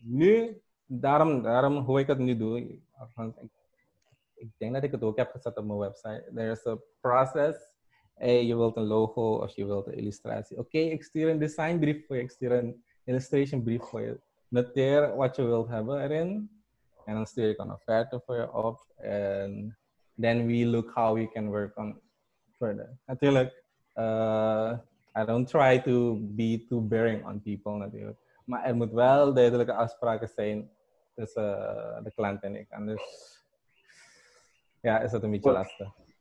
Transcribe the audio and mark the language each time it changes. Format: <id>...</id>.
<nl>Nu, daarom hoe ik het nu doe, ik denk dat ik het ook heb gezet op mijn website. There's a process. Hey, je wilt een logo of je wilt een illustratie. Okay, ik stuur een design brief voor je, ik stuur een illustration brief voor je. Noteer wat je wilt hebben erin. En dan stuur ik een offerte voor je op.</nl> <en>En then we look how we can work on further. Natuurlijk, I don't try to be too bearing on people, natuurlijk.</en> <nl>Maar er moet wel duidelijke afspraken zijn tussen de klant en ik. Anders, ja, is dat een beetje lastig.</nl>